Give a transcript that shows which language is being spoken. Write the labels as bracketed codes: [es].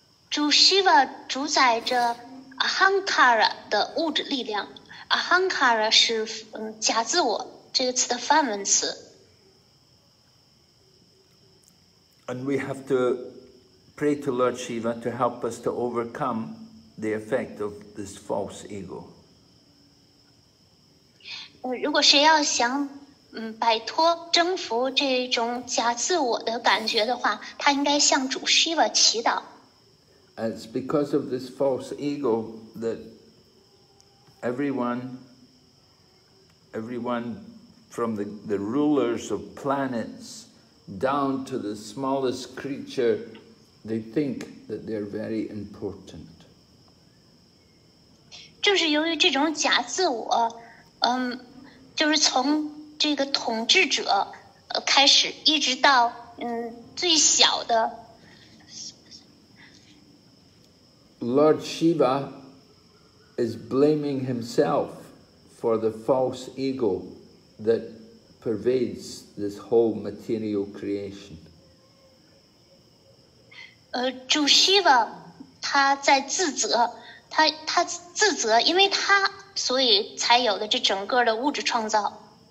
[zh] 主 Shiva 主宰着Ahankara 的物质力量 ，Ahankara 是假自我这个词的梵文词。 [en] And we have to pray to Lord Shiva to help us to overcome the effect of this false ego. [zh] 如果谁要想摆脱征服这种假自我的感觉的话，他应该向主 Shiva 祈祷。 [en] It's because of this false ego that everyone from the rulers of planets down to the smallest creature, they think that they're very important. [zh] 就是由于这种假自我，就是从这个统治者开始，一直到最小的。 [en] Lord Shiva is blaming himself for the false ego that pervades this whole material creation. [zh] 主 Shiva 他在自责，他自责，因为他所以才有了这整个的物质创造。